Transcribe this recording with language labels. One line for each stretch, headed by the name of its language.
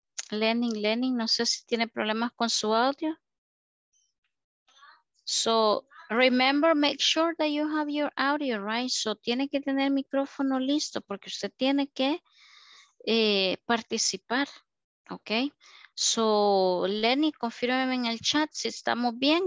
Spanish: Lenin, no sé si tiene problemas con su audio.
English: So, remember, make sure that you have your audio, right?
Spanish: So, tiene que tener micrófono listo porque usted tiene que participar, okay? So, Lenny, confírmeme en el chat si estamos bien.